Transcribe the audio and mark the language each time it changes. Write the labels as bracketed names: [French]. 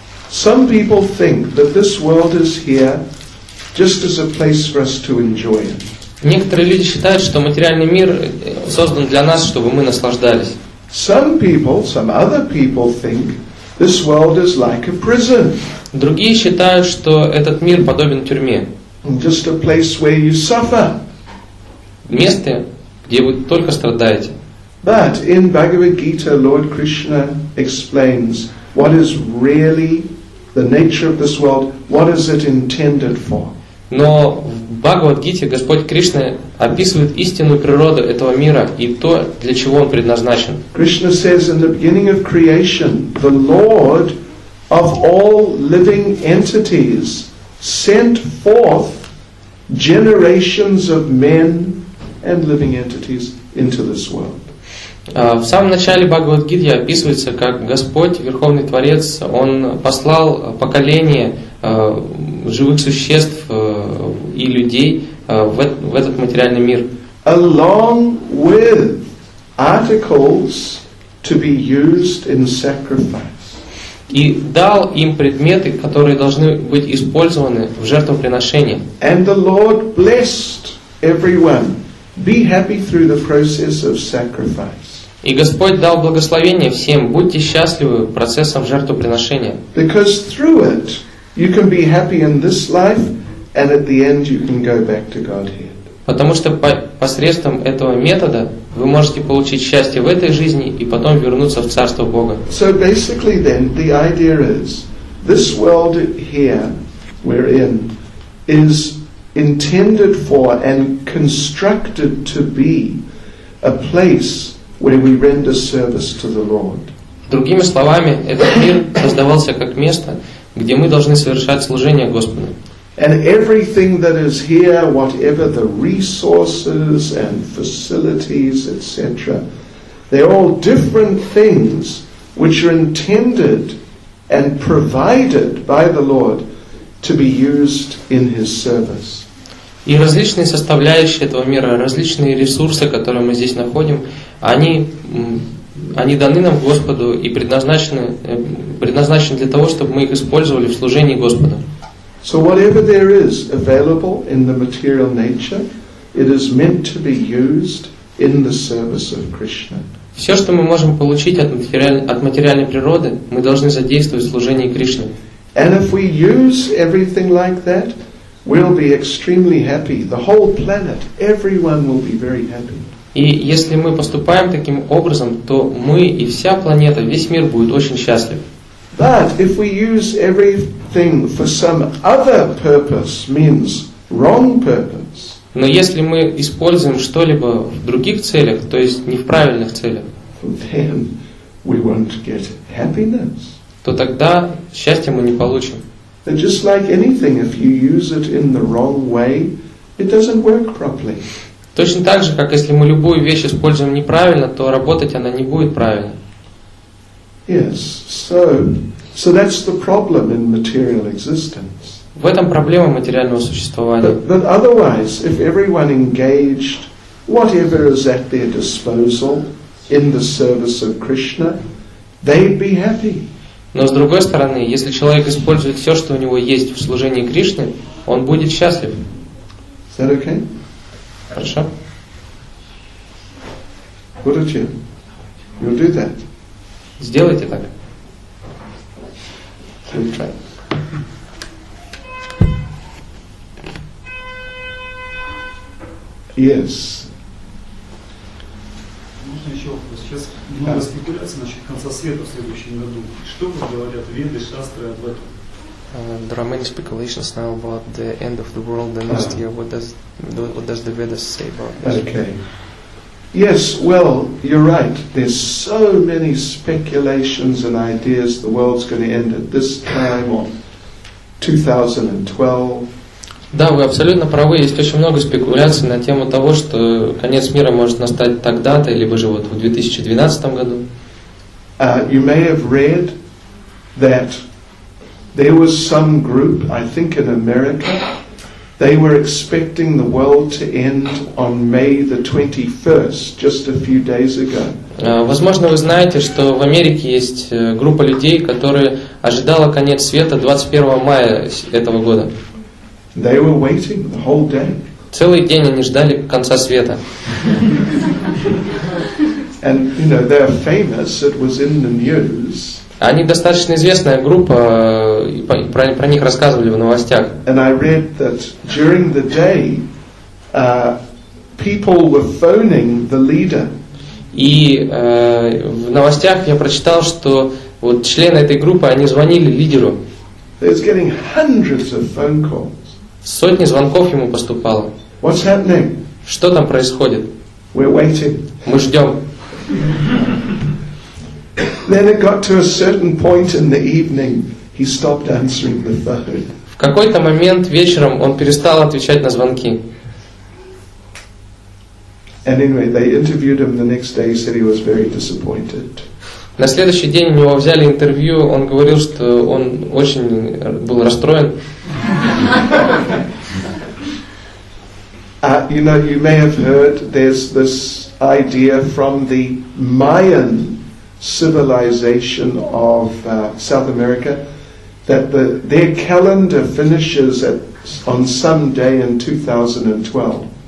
[English] Some people think that this world is here just as a place for us to enjoy it. [Russian] Некоторые люди считают, что материальный мир создан для нас, чтобы мы наслаждались. [English] Some other people think this world is like a prison. [Russian] Другие считают, что этот мир подобен тюрьме. [English] Just a place where you suffer. [Russian] Место, где вы только страдаете. [English] But in Bhagavad Gita, Lord Krishna explains what is really the nature of this world. What is it intended for? [Russian] Но в Бхагавад-гите Господь Кришна описывает истинную природу этого мира и то, для чего он предназначен. [English] Krishna says in the beginning of creation, the Lord of all living entities sent forth generations of men and living entities into this world. [Russian] В самом начале Бхагавад-гиты описывается, как Господь, Верховный Творец, Он послал поколение живых существ и людей в этот материальный мир. [English] Along with articles to be used in sacrifice. [Russian] И дал им предметы, которые должны быть использованы в жертвоприношении. [English] And the Lord blessed everyone Be happy through the process of sacrifice. [Russian] И Господь дал благословение всем. Будьте счастливы процессом жертвоприношения. [English] Because through it you can be happy in this life, and at the end you can go back to Godhead. [Russian] Потому что посредством этого метода вы можете получить счастье в этой жизни и потом вернуться в Царство Бога. [English] So basically then, the idea is, this world here we're in is intended for and constructed to be a place where we render service to the Lord. [Russian] Другими словами, этот мир создавался как место, где мы должны совершать служение Господу. [English] And everything that is here, whatever the resources and facilities, etc., they're all different things which are intended and provided by the Lord to be used in His service. [Russian] И различные составляющие этого мира, различные ресурсы, которые мы здесь находим, они даны нам Господу и предназначены для того, чтобы мы их использовали в служении Господу. [English] So whatever there is available in the material nature, it is meant to be used in the service of Krishna. [Russian] Все, что мы можем получить от материальной природы, мы должны задействовать в служении Кришне. [English] And if we use everything like that, we'll be extremely happy. The whole planet, everyone will be very happy. [Russian] И если мы поступаем таким образом, то мы и вся планета, весь мир будет очень счастлив. [English] But if we use everything for some other purpose, means wrong purpose. [Russian] Но если мы используем что-либо в других целях, то есть не в правильных целях, [English] then we won't get happiness. [Russian] То тогда счастья мы не получим. [English] And just like anything, if you use it in the wrong way, it doesn't work properly. [Russian] Точно так же, как если мы любую вещь используем неправильно, то работать она не будет правильно. [English] Yes, so that's the problem in material existence. [Russian] В этом проблема материального существования. [English] But otherwise, if everyone engaged whatever is at their disposal in the service of Krishna, they'd be happy. [Russian] Но с другой стороны, если человек использует все, что у него есть в служении Кришны, он будет счастлив. [English] Is that okay? [Russian] Хорошо. Будет ли? [English] You'll do that. [Russian] Сделайте так. [English] We'll try. Yes. [Russian] Можно еще вопрос? Сейчас много спекуляций насчет конца света в следующем году. Что вы говорят веды, шастры об этом? [English] There are many speculations now about the end of the world, the next year. What does the Vedas say about this? Okay. Yes, well, you're right. There's so many speculations and ideas. The world's going to end at this time or 2012. [Russian] Да, вы абсолютно правы. Есть очень много спекуляций на тему того, что конец мира может настать тогда-то, либо же вот в 2012 году. [English] You may have read that there was some group, I think in America, they were expecting the world to end on May the 21st, just a few days ago. [Russian] Возможно, вы знаете, что в Америке есть группа людей, которые ожидала конец света 21 мая этого года. [English] They were waiting the whole day. [Russian] Целый день они ждали конца света. [English] And, you know, they're famous, it was in the news. [Russian] Они достаточно известная группа, и про них рассказывали в новостях. [English] And I read that during the day, people were phoning the leader. [Russian] И в новостях я прочитал, что вот члены этой группы, они звонили лидеру. [English] It's getting hundreds of phone calls. [Russian] Сотни звонков ему поступало. [English] What's happening? [Russian] Что там происходит? [English] We're waiting. [Russian] Мы ждем. [English] Then it got to a certain point in the evening. He stopped answering the phone. [Russian] В какой-то момент вечером он перестал отвечать на звонки. [English] And anyway, they interviewed him the next day. He said he was very disappointed. [Russian] На следующий день у него взяли интервью. Он говорил, что он очень был расстроен. [English] You know, you may have heard there's this idea from the Mayan civilization of South America, that their calendar finishes on some day in 2012.